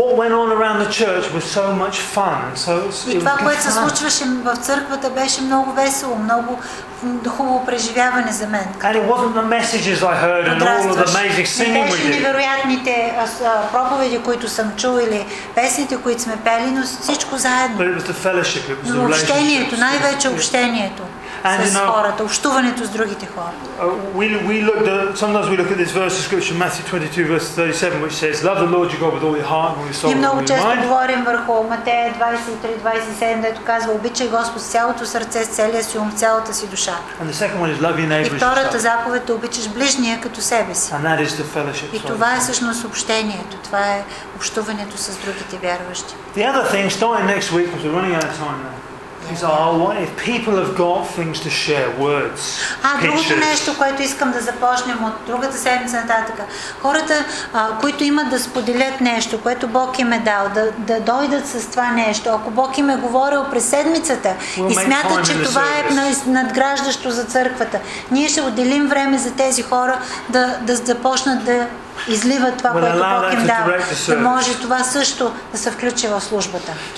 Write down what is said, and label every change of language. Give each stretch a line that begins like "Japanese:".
English: What went on around the church was so much fun.
Bulgarian: И това, което се случваше в църквата, беше много весело, много хубаво преживяване за мен.
English: And it wasn't the messages I heard and all of the amazing singing we did.
Bulgarian: Невероятните проповеди, които съм чул, или песните, които сме пели, но всичко заедно.
English: But it was the fellowship, it was the
Bulgarian: общението, най-вече общението с хората, общуването с другите хора.
English: We look at this verse of scripture, Matthew 22 verse 37, which says, "Love the Lord your God with all your heart and all your soul."
Bulgarian: И много често говорим върху Матея 23:27, дето казва: "Обичай Господ с цялото сърце, с целия си ум, цялата си душа."
English: And the second one is love your neighbor.
Bulgarian: И втората заповед е: "Обичаш ближния като себе си."
English: And that is the fellowship.
Bulgarian: И това е всъщност общението, това е общуването с другите вярващи.
English: The other thing, starting next week, because we're running out of time now. If people have got things to share, words, pictures.
Bulgarian: Друго нещо, което искам да започнем от другата седмица нататък. Хората, които имат да споделят нещо, което Бог им е дал, да дойдат с това нещо. Ако Бог им е говорил през седмицата и смятат, че това е надграждащо за църквата, ние ще отделим време за тези хора да започнат да изливат това, което Бог им дал, да може това също да се включи в службата.